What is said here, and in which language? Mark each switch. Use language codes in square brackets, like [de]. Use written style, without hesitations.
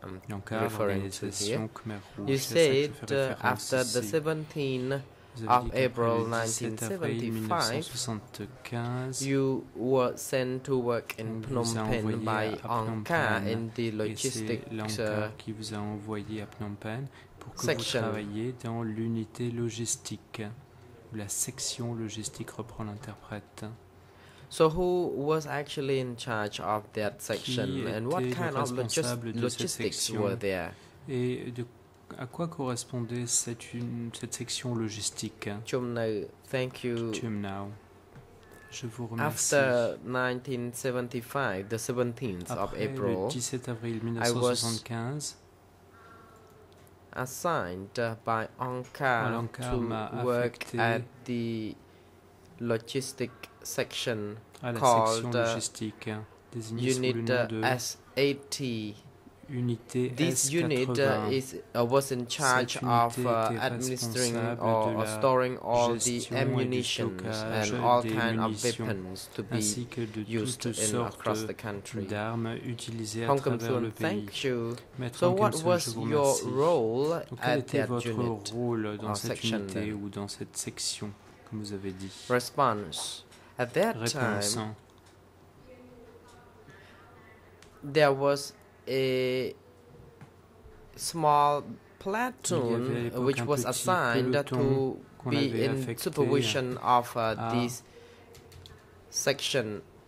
[fr] l'organisation Khmer Rouge, [en] you said after the 17th of April 1975, you were sent to work in Phnom Penh by Ankar in the logistics [fr] qui vous a envoyé à Phnom Penh pour que vous travailliez dans l'unité logistique. La section logistique reprend l'interprète. [en] So who was actually in charge of that section and what kind of logistics were there? [fr] Et à quoi correspondait cette section logistique? [en] Chum Neou, thank you. [fr] Chum Neou. Je vous remercie. [en] After 1975, the 17th [fr] Après [en] of April, [fr] le 17 avril 1975, [en] assigned by Ankar to work at the logistic section called Unit S80. [fr] Unité [en] this S80. Unit was in charge of administering or storing all the ammunition and all kinds of weapons to be used in across the country. Hong Kong-sun, thank you. So what was your role at that unit [fr] dans cette section unité ou dans cette section, comme vous avez dit? [en] Response. At that time, there was a small platoon which was assigned to be in supervision of this section.